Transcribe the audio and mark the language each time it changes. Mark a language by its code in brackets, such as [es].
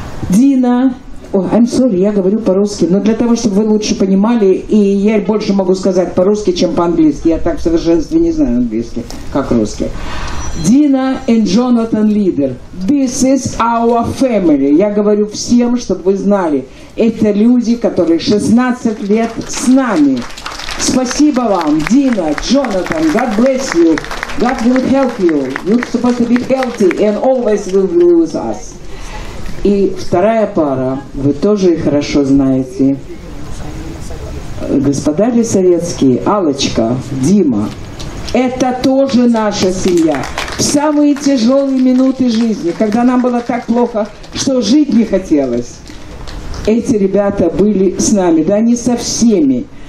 [ru] Дина, [en] I'm sorry, [ru] я говорю по-русски, но для того, чтобы вы лучше понимали, и я больше могу сказать по-русски, чем по-английски, я так в совершенстве не знаю английский, как русский. [en] Дина и Джонатан Лидер. This is our family. [ru] Я говорю всем, чтобы вы знали. Это люди, которые 16 лет с нами. Спасибо вам, Дина, Джонатан. [en] God bless you. God will help you. You're supposed to be healthy and always will be with us. [ru] И вторая пара, вы тоже хорошо знаете. Господа ли советские, Аллочка, Дима. Это тоже наша семья. В самые тяжелые минуты жизни, когда нам было так плохо, что жить не хотелось, эти ребята были с нами, да не со всеми.